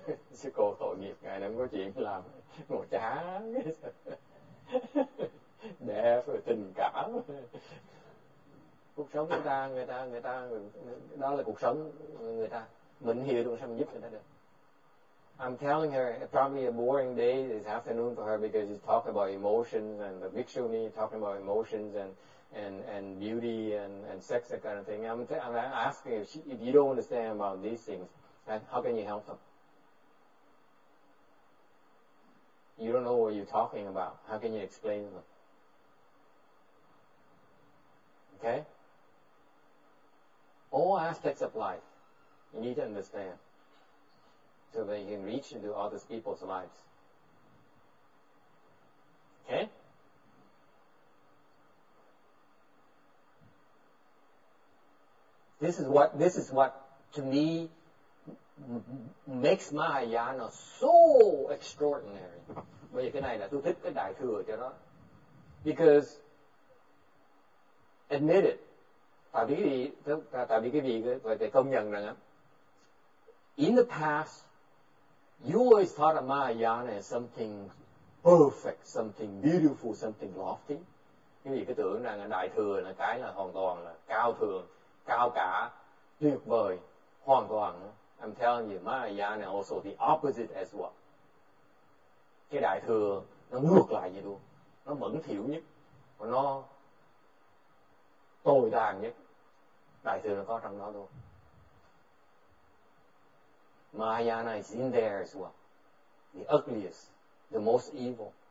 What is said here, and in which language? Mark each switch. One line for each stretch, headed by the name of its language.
Vietnamese: Sư cô tội nghiệp, ngài đang có chuyện làm ngồi chán. Đẹp rồi tình cảm. Cuộc sống người ta, đó là cuộc sống người ta. Mình hiểu được sao mình giúp người ta được.
English: I'm telling her probably a boring day this afternoon for her because you talk about emotions and the bhikshuni talking about emotions and beauty and sex, that kind of thing. I'm asking if you don't understand about these things, how can you help them? You don't know what you're talking about. How can you explain them? Okay? All aspects of life, you need to understand, so that you can reach into other people's lives. Okay? This is what to me makes Mahayana so extraordinary.
Vietnamese: Bởi vì cái này là tôi thích cái đại thừa cho nó.
English: Because admit it,
Vietnamese: tại vì cái gì phải công nhận rằng á,
English: in the past you always thought of Mahayana as something perfect, something beautiful, something lofty.
Vietnamese: Cái gì cứ tưởng rằng đại thừa là cái là hoàn toàn là cao thượng, cao cả, tuyệt vời, hoàn toàn.
English: I'm telling you, Mahayana also the opposite as well.
Vietnamese: Cái đại thừa nó ngược lại vậy luôn, nó mẫn thiểu nhất, còn nó tồi tàn nhất. Đại thừa nó có trong đó luôn.
English: Mahayana is in there as well, the ugliest, the most evil.